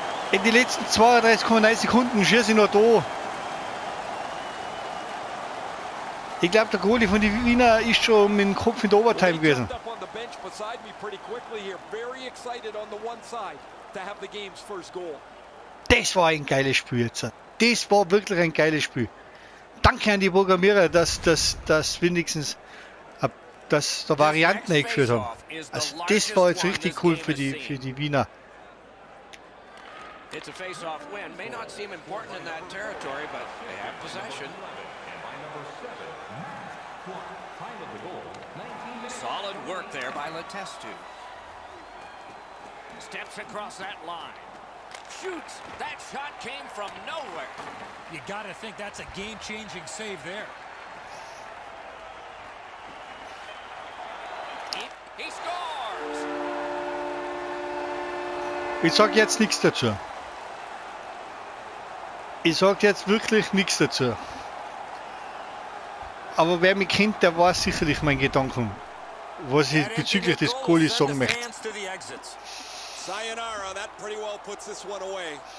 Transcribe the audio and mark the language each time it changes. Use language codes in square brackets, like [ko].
[de] In den letzten 32,9 Sekunden schieße ich noch da. Ich glaube, der Goalie von die Wiener ist schon mit dem Kopf in der Overtime gewesen. [en] Well, he jumped up on the bench beside me pretty quickly here. Very excited on the one side to have the game's first goal. [de] Das war ein geiles Spiel jetzt. Das war wirklich ein geiles Spiel. Danke an die Programmierer, dass wenigstens dass da Varianten eingeführt haben. Also das war jetzt richtig cool für die Wiener. [en] It's a face-off win. May not seem important in that territory, but they have possession. Solid work there by Letestu. Steps across that line. Shoots! That shot came from nowhere. You gotta think that's a game-changing save there. He scores! [de] Ich sag jetzt nichts dazu. Ich sag jetzt wirklich nichts dazu. Aber wer mich kennt, der weiß sicherlich mein Gedanken, was ich bezüglich des Goalies sagen möchte. [en] Sayonara, that pretty well puts this one away.